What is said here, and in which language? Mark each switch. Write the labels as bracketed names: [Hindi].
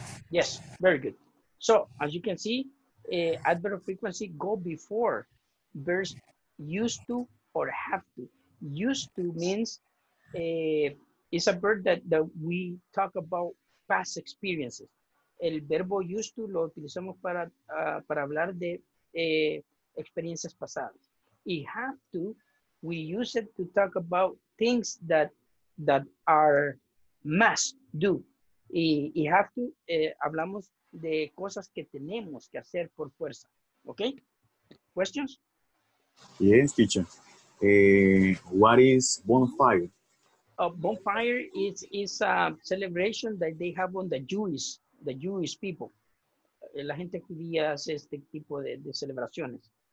[English] Yes, very good. So, as you can see, adverb of frequency go before verbs used to or have to. Used to means it's a verb that we talk about past experiences. [Spanish] El verbo used to lo utilizamos para hablar de experiencias pasadas. [English] Y have to, we use it to talk about things that are must do. [Spanish] Y have to, hablamos de cosas que tenemos que hacer por fuerza. [English] Okay? Questions? Yes, teacher. What is bonfire? Bonfire is a celebration that they have on the Jewish people. [Spanish] La gente judía hace este tipo de celebraciones.